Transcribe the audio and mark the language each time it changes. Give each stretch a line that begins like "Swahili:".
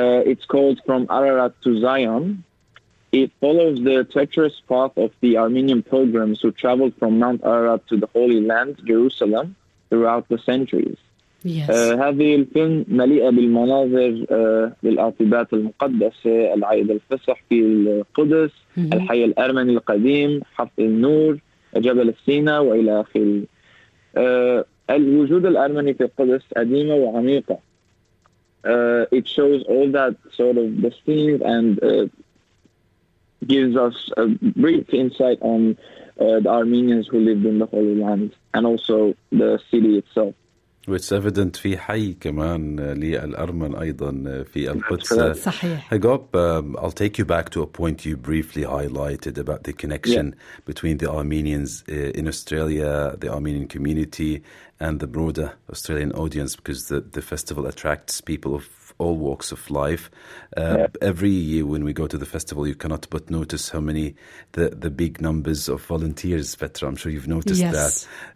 English: It's called From Ararat to Zion. It follows the treacherous path of the Armenian pilgrims who traveled from Mount Ararat to the Holy Land, Jerusalem, throughout the centuries.
Arabic: هذه الفيلم مليئة بالمناظر للعطبات المقدسة، العيد الفصح في القدس، الحي الأرمني القديم، حفظ النور، جبل السينا وإلى آخر. الوجود الأرمني في القدس قديمة وعميقة.
English: It shows all that sort of the scenes and gives us a brief insight on the Armenians who lived in the Holy Land and also the city itself. It's evident
Arabic: في حي كمان للأرمن أيضا في القدس. صحيح.
English: Hagop, I'll take you back to a point you briefly highlighted about the connection between the Armenians in Australia, the Armenian community, and the broader Australian audience, because the festival attracts people of all walks of life. Every year when we go to the festival, you cannot but notice how many the big numbers of volunteers, Petra, I'm sure you've noticed that.